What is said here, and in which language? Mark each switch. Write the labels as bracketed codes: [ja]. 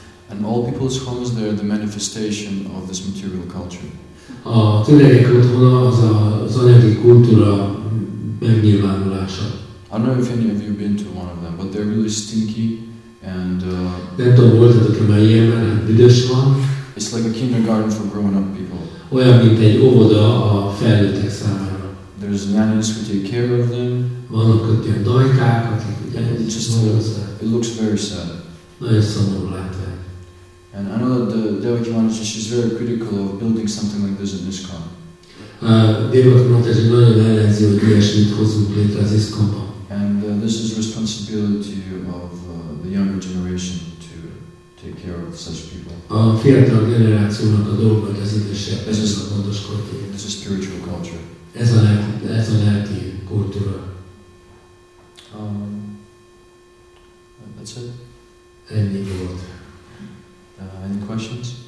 [en] And old people's homes, they're the manifestation of this material culture. [hu] A tüdejek otthona az az anyagi kultúra megnyilvánulása. [en] I don't know if any of you have been to one of them, but they're really stinky and... [hu] Nem tudom, voltatok-e már ilyen, mert hát büdös van. [en] It's like a kindergarten for grown-up people. [hu] Olyan, mint egy óvoda a felnőttek számára. [en] There's nannies who take care of them. [hu] Vannak ott ilyen dajkák, akik ugye... [en] It looks very sad. [hu] Nagyon szomorú látni. [en] And I know that the Devaki Mataji, she's very critical of building something like this in ISKCON. [hu] Devaki Mataji nagyon ellenzi, hogy ilyesmit hozzunk létre az ISKCON-ba. [en] And this is responsibility of the younger generation to take care of such people. [hu] A fiatal generációnak a dolga, hogy az idősebb. [en] This is [hu] a fontos kultúra. [en] This is spiritual culture. [hu] Ez a lelki kultúra. [en] That's it. [hu] Ennyi volt. [en] Any questions?